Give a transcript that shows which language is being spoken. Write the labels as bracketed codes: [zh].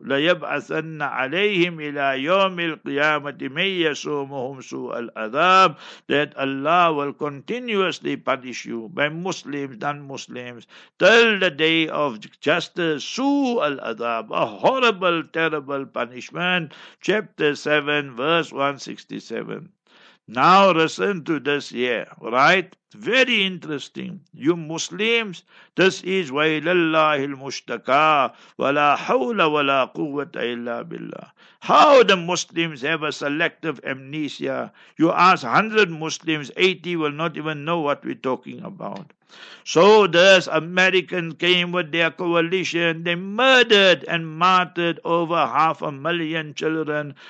[ar] لَيَبْعَثَنَّ عَلَيْهِمْ إِلَىٰ يَوْمِ الْقِيَامَةِ مَنْ يَسُومُهُمْ سُوءَ الْعَذَابِ, [en] that Allah will continuously punish you by Muslims, non-Muslims, till the day of justice. [ar] سُوءَ الْعَذَابِ, [en] a horrible, terrible punishment. Chapter 7, verse 167. Now listen to this here, right? Very interesting. You Muslims, this is [ar] وَيْلَلَّهِ الْمُشْتَكَى وَلَا حَوْلَ وَلَا قُوَّةَ إِلَّا بِاللَّهِ. [en] How the Muslims have a selective amnesia. You ask 100 Muslims, 80 will not even know what we're talking about. So this American came with their coalition. They murdered and martyred over 500,000 children.